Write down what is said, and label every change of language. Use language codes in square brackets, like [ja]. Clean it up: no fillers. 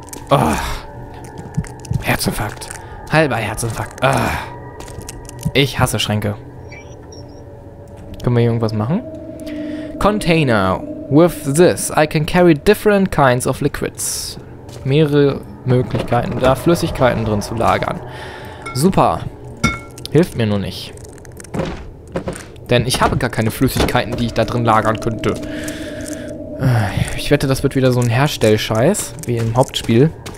[de] Oh. Herzinfarkt. Halber Herzinfarkt. Ich hasse Schränke. Können wir hier irgendwas machen? Container. [en] With this, I can carry different kinds of liquids. [de] Mehrere Möglichkeiten, da Flüssigkeiten drin zu lagern. Super. Hilft mir nur nicht. Denn ich habe gar keine Flüssigkeiten, die ich da drin lagern könnte. Ich wette, das wird wieder so ein Herstellscheiß, wie im Hauptspiel.